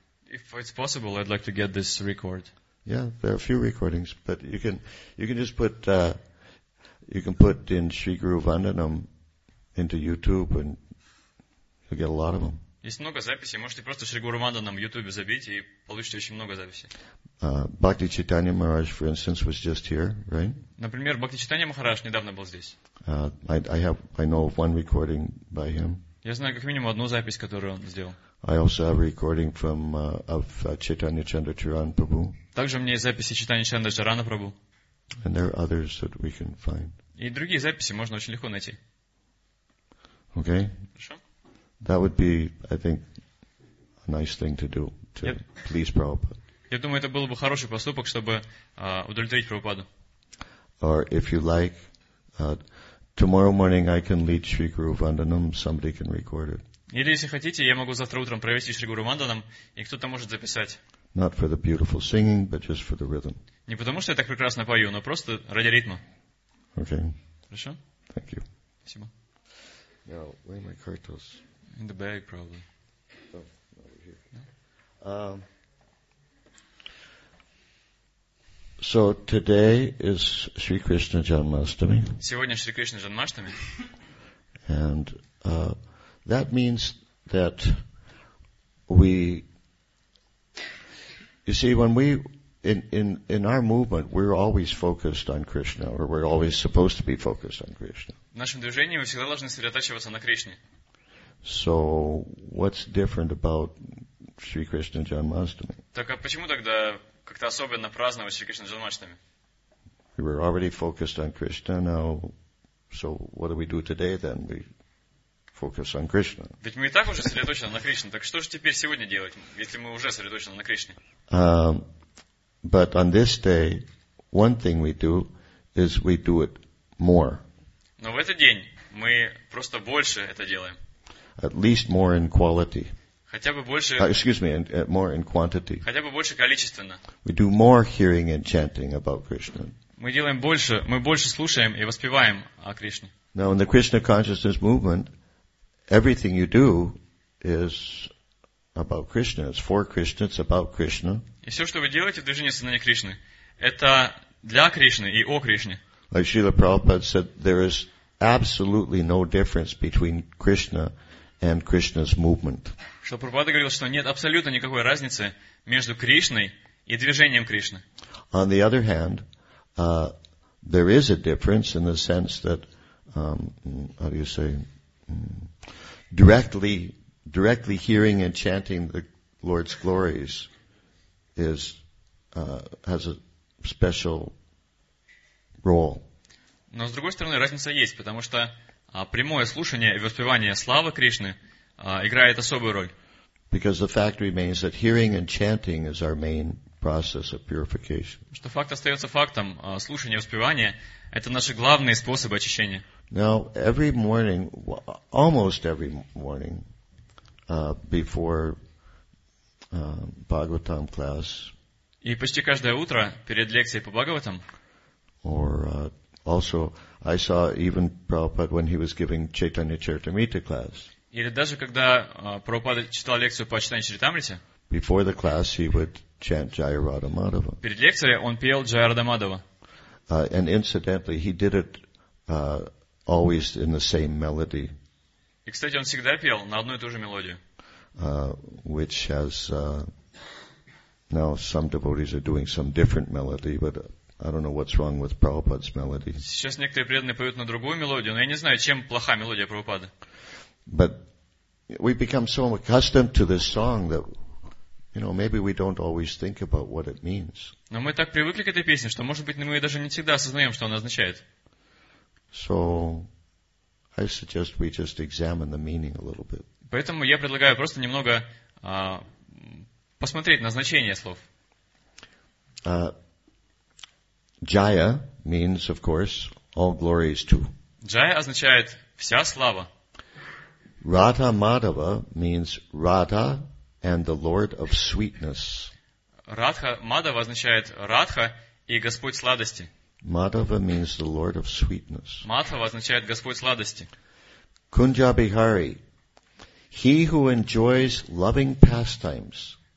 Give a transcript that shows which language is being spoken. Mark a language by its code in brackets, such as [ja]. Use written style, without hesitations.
[en] If it's possible, I'd like to get this record. Yeah, there are a few recordings, but you can put in Sri Guru Vandanam into YouTube, and you'll get a lot of them. [ru] Есть много записей. Можете просто Шри Гуру Ванданам в YouTube забить и получите очень много записей. [en] Bhakti Chaitanya Maharaj, for instance, was just here, right? [ru] Например, Бхакти Чайтанья Махарадж недавно был здесь. [en] I know of one recording by him. [ru] Я знаю как минимум одну запись, которую он сделал. [en] I also have a recording from Chaitanya Chandracharan Prabhu. [ru] Также у меня есть записи Чайтанья Чандрачарана Прабу. [en] And there are others that we can find. [ru] И другие записи можно очень легко найти. [en] Okay. [ru] Хорошо. [en] That would be, I think, a nice thing to do to please Prabhupada. [ru] Я думаю, это было бы хороший поступок, чтобы удовлетворить Прабхупаду. [en] Or if you like, tomorrow morning I can lead Sri Guru Vandanam. Somebody can record it. [ru] Или если хотите, я могу завтра утром провести Шри Гуру Ванданам, и кто-то может записать. [en] Not for the beautiful singing, but just for the rhythm. [ru] Не потому что я так прекрасно пою, но просто ради ритма. [en] Okay. [ru] Хорошо. [en] Thank you. [ru] Спасибо. [en] Now, where are my cartels? In the bag, probably. Oh, over here. So today is Sri Krishna Janmashtami. [ru] Сегодня Шри Кришна Джанмаштами. [en] And that means that we, you see, when we in our movement, we're always focused on Krishna, or we're always supposed to be focused on Krishna. [ru] В нашем движении мы всегда должны сосредотачиваться на Кришне. [en] So what's different about Sri Krishna Janmashtami? [ru] Так а почему тогда как-то особенно праздновать Шри Кришна Джанмаштами? [en] We were already focused on Krishna now, so what do we do today then? We focus on Krishna. [ru] Ведь мы и так уже сосредоточены на Кришне, так что же теперь сегодня делать, если мы уже сосредоточены на Кришне? [en] But on this day, one thing we do is we do it more. [ru] Но в этот день мы просто больше это делаем. [en] At least more in quality. [ru] Хотя бы больше, [en] More in quantity. [ru] Хотя бы больше количественно. [en] We do more hearing and chanting about Krishna. [ru] Мы делаем больше, мы больше слушаем и воспеваем о Кришне. [en] Now in the Krishna consciousness movement, everything you do is about Krishna. It's for Krishna. It's about Krishna. [ru] И все, что вы делаете в движении сознания Кришны, это для Кришны и о Кришне. [en] Like Srila Prabhupada said, there is absolutely no difference between Krishna and Krishna's movement. [ru] Шрила Прабхупада говорил, что нет абсолютно никакой разницы между Кришной и движением Кришны. [en] On the other hand, there is a difference in the sense that, how do you say, directly hearing and chanting the Lord's glories is has a special role. [ru] Но с другой стороны разница есть, потому что прямое слушание и воспевание славы Кришны играет особую роль. [en] Because the fact remains that hearing and chanting is our main process of purification. [ru] Что факт остается фактом, слушание и воспевание это наши главные способы очищения. [en] Now every morning, almost every morning, before Bhagavatam class. [ru] И почти каждое утро перед лекцией по Бхагаватам. [en] Or also, I saw even Prabhupada when he was giving Chaitanya Charitamrita class. [ru] Или даже когда Прабхупада читал лекцию по Чайтанья Чаритамрите. [en] Before the class, he would chant Jaya Radha Madhava. [ru] Перед лекцией он пел Jaya Radha Madhava. [en] And incidentally, he did it always in the same melody. [ru] И, кстати, он всегда пел на одну и ту же мелодию. [en] Which has now some devotees are doing some different melody, but I don't know what's wrong with Prabhupada's melody. [ru] Сейчас некоторые преданные поют на другую мелодию, но я не знаю, чем плоха мелодия Прабхупады. [en] But we become so accustomed to this song that, you know, maybe we don't always think about what it means. [ru] Но мы так привыкли к этой песне, что, может быть, мы даже не всегда осознаем, что она означает. [en] So I suggest we just examine the meaning a little bit. [ru] Поэтому я предлагаю просто немного посмотреть на значение слов. [en] Jaya means, of course, all glories to. [ru] Jaya означает вся слава. [en] Radha Madhava means Radha and the Lord of sweetness. [ru] Radha Madhava означает Радха и Господь сладости. [en] Madhava means the Lord of sweetness. [ru] Madhava означает Господь сладости. [en] Kunja Bihari. He who enjoys loving pastimes.